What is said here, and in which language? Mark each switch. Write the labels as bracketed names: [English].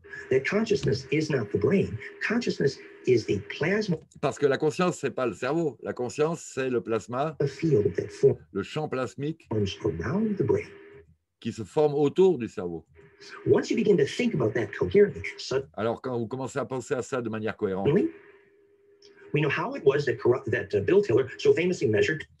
[English] That consciousness is not the brain. Consciousness is the plasma. [French] Parce que la conscience, ce n'est pas le cerveau. La conscience, c'est le plasma, le champ plasmique [English] around the brain. [French] Qui se forme autour du cerveau. [English] Once you begin to think about that coherently, so [French] alors, quand vous commencez à penser à ça de manière cohérente, [English] we know how it was that Bill Tiller so famously measured.